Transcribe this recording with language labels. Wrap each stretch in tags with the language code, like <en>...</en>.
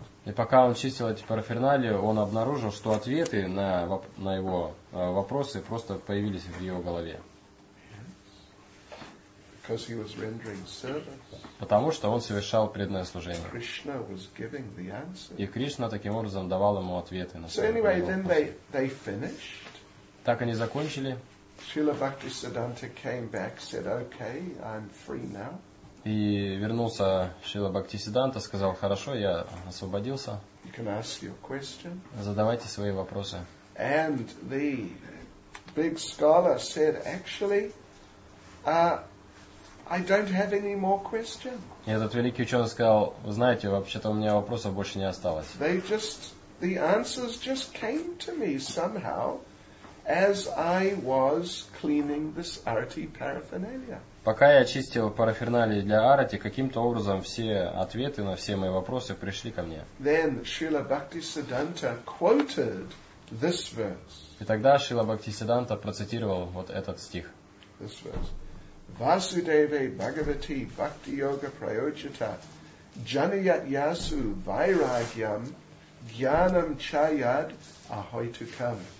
<ru>И пока он чистил эти параферналии, он обнаружил, что ответы на его вопросы просто появились в его голове.</ru> <en>Because he was rendering service.</en> <ru>Потому что он совершал преданное служение.</ru> <en>Krishna was giving the answer.</en> <ru>И Кришна таким образом давал ему ответы на свои вопросы.</ru> <en>Then they finished.</en> <ru>Так они закончили.</ru> <en>Srila Bhaktisiddhanta came back, said, "Okay, I'm free now."</en> <ru>И вернулся Шрила Бхактисиддханта, сказал, "Хорошо, я освободился."</ru> <en>You can ask your question.</en> <ru>Задавайте свои вопросы.</ru> <en>And the big scholar said, "Actually, I don't have any more questions."</en> <ru>И этот великий ученый сказал, вы знаете, вообще-то у меня вопросов больше не осталось.</ru> <en>They just, the answers just came to me somehow as I was cleaning this arati paraphernalia.</en> <ru>Пока я чистил параферналии для арати, каким-то образом все ответы на все мои вопросы пришли ко мне.</ru> <en>Then Srila Bhaktisiddhanta quoted this verse.</en> <ru>И тогда Шрила Бхактисиддханта процитировал вот этот стих.</ru> <en>This verse.</en> <sa>Vasudeve Bhagavati Bhakti Yoga Prayojita Janayat Yasu Vairagyam Jnanam Chayad Ahoitukam.</sa>